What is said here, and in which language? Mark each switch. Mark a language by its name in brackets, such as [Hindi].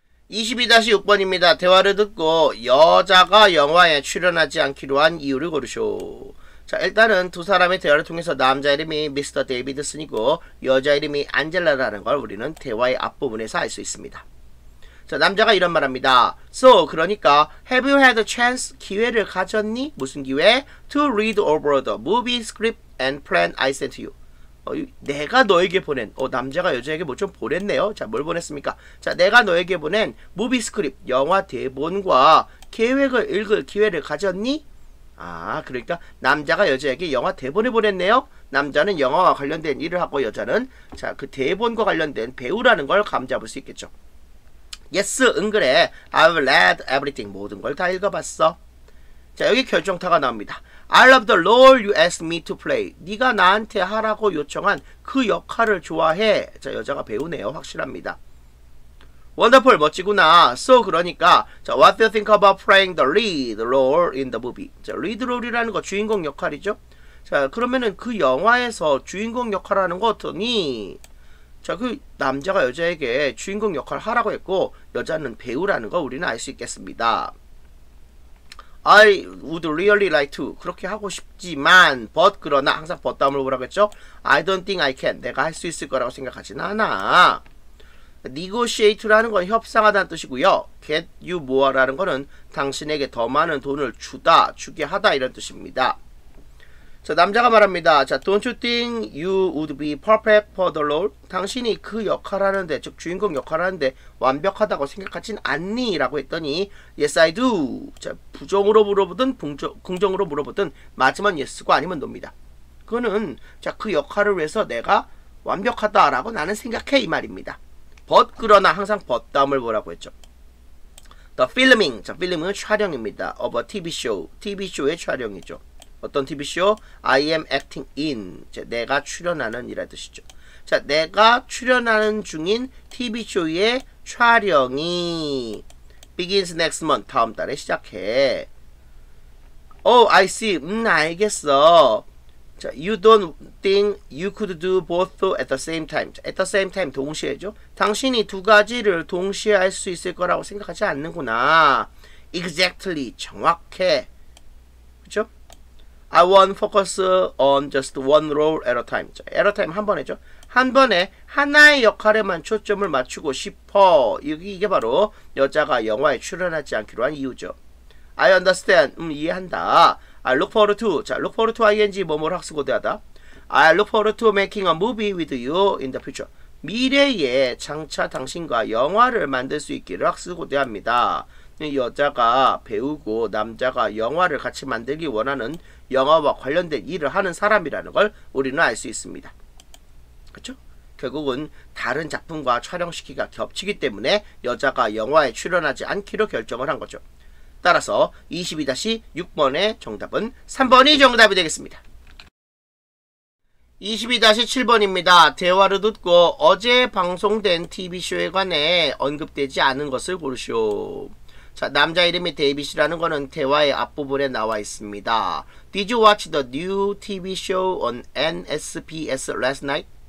[Korean] 22-6번입니다. 대화를 듣고 여자가 영화에 출연하지 않기로 한 이유를 고르쇼. 자, 일단은 두 사람의 대화를 통해서 남자 이름이 미스터 데이비드슨이고 여자 이름이 안젤라라는 걸 우리는 대화의 앞부분에서 알 수 있습니다. 자, 남자가 이런 말합니다. So, 그러니까 [English] Have you had a chance? [Korean] 기회를 가졌니? 무슨 기회? [English] To read over the movie script and plan I sent you. [Korean] 내가 너에게 보낸 남자가 여자에게 뭐 좀 보냈네요. 자, 뭘 보냈습니까? 자, 내가 너에게 보낸 movie script, 영화 대본과 계획을 읽을 기회를 가졌니? 아, 그러니까 남자가 여자에게 영화 대본을 보냈네요. 남자는 영화와 관련된 일을 하고 여자는 자, 그 대본과 관련된 배우라는 걸 감잡을 수 있겠죠. [English] Yes, [Korean] 응그래. [English] I've read everything. [Korean] 모든 걸 다 읽어봤어. 자, 여기 결정타가 나옵니다. [English] I love the role you asked me to play. [Korean] 네가 나한테 하라고 요청한 그 역할을 좋아해. 자, 여자가 배우네요. 확실합니다. [English] Wonderful. [Korean] 멋지구나. [English] So, [Korean] 그러니까. [English] 자, what do you think about playing the lead role in the movie? [Korean] 자, lead role이라는 거 주인공 역할이죠. 자, 그러면은 그 영화에서 주인공 역할하는 거 어떠니? 자, 그 남자가 여자에게 주인공 역할을 하라고 했고 여자는 배우라는 거 우리는 알 수 있겠습니다. [English] I would really like to [Korean] 그렇게 하고 싶지만 [English] but [Korean] 그러나 항상 but 다음을 보라고 했죠. [English] I don't think I can [Korean] 내가 할 수 있을 거라고 생각하진 않아. Negotiate라는 건 협상하다는 뜻이고요. Get you more라는 거는 당신에게 더 많은 돈을 주다 주게 하다 이런 뜻입니다. 자, 남자가 말합니다. [English] 자, Don't you think you would be perfect for the role? [Korean] 당신이 그 역할을 하는데 즉 주인공 역할을 하는데 완벽하다고 생각하진 않니? 라고 했더니 [English] Yes, I do. [Korean] 자, 부정으로 물어보든 긍정으로 물어보든 맞으면 yes고 아니면 no입니다. 그거는 자, 그 역할을 위해서 내가 완벽하다라고 나는 생각해 이 말입니다. But 그러나 항상 but 다음을 보라고 했죠. The filming. 자, filming은 촬영입니다. [English] Of a TV show. [Korean] TV show의 촬영이죠. 어떤 TV쇼? [English] I am acting in. [Korean] 자, 내가 출연하는 이라 뜻이죠. 자, 내가 출연하는 중인 TV쇼의 촬영이 [English] begins next month. [Korean] 다음 달에 시작해. [English] Oh, I see. [Korean] 알겠어. [English] 자, you don't think you could do both at the same time. [Korean] 자, at the same time, 동시에죠. 당신이 두 가지를 동시에 할 수 있을 거라고 생각하지 않는구나. [English] Exactly. [Korean] 정확해. 그쵸? [English] I won't focus on just one role at a time. At a time [Korean] 한 번에죠. 한 번에 하나의 역할에만 초점을 맞추고 싶어. 이게 바로 여자가 영화에 출연하지 않기로 한 이유죠. [English] I understand. [Korean] 이해한다. [English] I look forward to. 자, look forward to ing [Korean] 뭐뭐를 학습고대하다. [English] I look forward to making a movie with you in the future. [Korean] 미래에 장차 당신과 영화를 만들 수 있기를 학습고대합니다. 여자가 배우고 남자가 영화를 같이 만들기 원하는 영화와 관련된 일을 하는 사람이라는 걸 우리는 알 수 있습니다. 그렇죠? 결국은 다른 작품과 촬영 시기가 겹치기 때문에 여자가 영화에 출연하지 않기로 결정을 한 거죠. 따라서 22-6번의 정답은 3번이 정답이 되겠습니다. 22-7번입니다. 대화를 듣고 어제 방송된 TV쇼에 관해 언급되지 않은 것을 고르시오. 자, 남자 이름이 데이빗이라는 거는 대화의 앞부분에 나와 있습니다. [English] Did you watch the new TV show on NSBS last night?